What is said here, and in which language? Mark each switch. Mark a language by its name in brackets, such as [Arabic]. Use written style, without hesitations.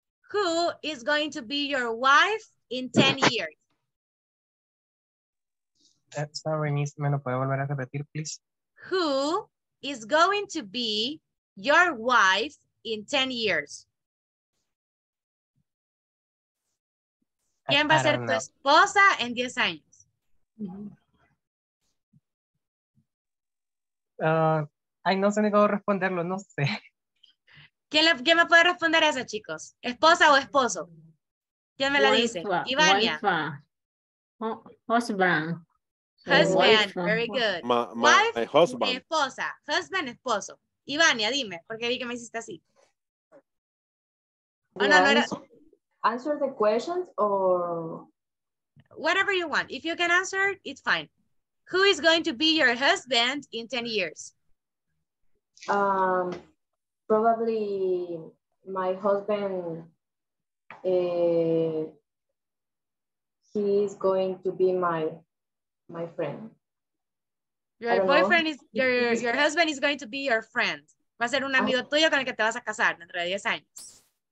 [English] Who is going to be your wife in 10 years? Sorry, Miss. [Spanish] ¿Me lo puede volver a repetir, [English] please? Who is going to be your wife in 10 years? [Spanish] ¿Quién va a ser tu esposa en 10 años? Ay, no sé ni cómo responderlo, no sé. ¿Quién me puede responder a eso, chicos? ¿Esposa o esposo? ¿Quién me la dice? Ivania. [English] Husband. Husband, very good. My husband. [Spanish] Mi esposa. Husband, esposo. Ivania, dime, porque vi que me hiciste así. [English] Answer the questions or... Whatever you want. If you can answer, it's fine. Who is going to be your husband in 10 years? Probably my husband. He is going to be my friend. Your boyfriend is your husband is going to be your friend. [Spanish] Va a ser un amigo tuyo con el que te vas a casar dentro de 10 años.